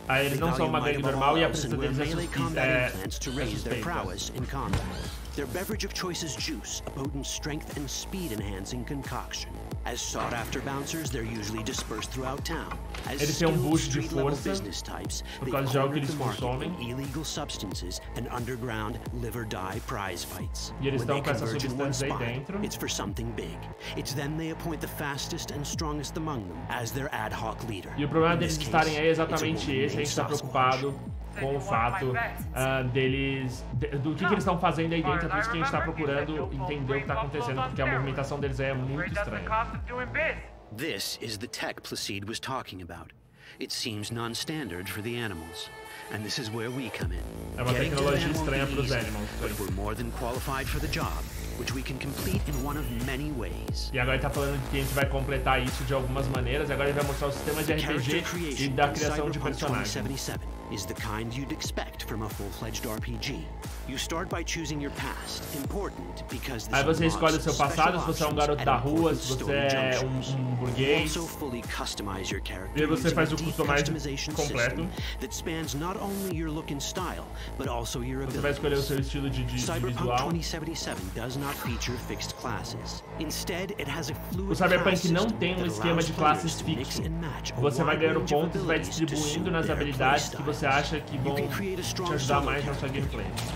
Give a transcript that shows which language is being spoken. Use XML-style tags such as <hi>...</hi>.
<pt>Ah, eles não são uma gangue normal e a presença deles é suspeita.</pt> <en>Their beverage of choice is juice, a potent strength and speed enhancing concoction. As sought after bouncers, they're usually dispersed throughout town. As</en> <pt>eles têm um boost de força</pt> <en>business types,</en> <pt>por causa de algo que eles consomem.</pt> <en>Illegal substances and underground live or die prize fights.</en> <pt>E eles estão com essas substâncias aí dentro.</pt> <en>It's for something big. It's then they appoint the fastest and strongest among them as their ad hoc leader.</en> <pt>E o problema deles estarem aí é exatamente esse, a gente está preocupado com o fato deles do que eles estão fazendo aí dentro. É por isso que a gente está procurando entender o que está acontecendo, porque a movimentação deles é muito estranha.</pt> <en>This is the tech Placide was talking about. It seems non-standard for the animals, and this is where we come in.</en> <pt>É uma tecnologia estranha para os animais,</pt> <en>but we're more than qualified for the job, which we can complete in one of many ways.</en> <pt>E agora ele tá falando que a gente vai completar isso de algumas maneiras. E agora ele vai mostrar o sistema de RPG e da criação de personagens.</pt> <en>Is the kind you'd expect from a full-fledged RPG. You start by choosing your past, important because</en> <pt>aí você escolhe o seu passado, se você é um garoto da rua, se você é um burguês.</pt> <en>Customize your character.</en> <pt>E aí você faz o customization completo.</pt> <en>That spans not only your look and style, but also your abilities.</en> <pt>Você vai escolher o seu estilo de visual.</pt> <en>Cyberpunk 2077 does not feature fixed classes. Instead, it has a fluid.</en> <pt>O Cyberpunk não tem um esquema de classes fixo. Você vai ganhando pontos, vai distribuindo nas habilidades que você acha que vão te ajudar mais na sua gameplay.</pt>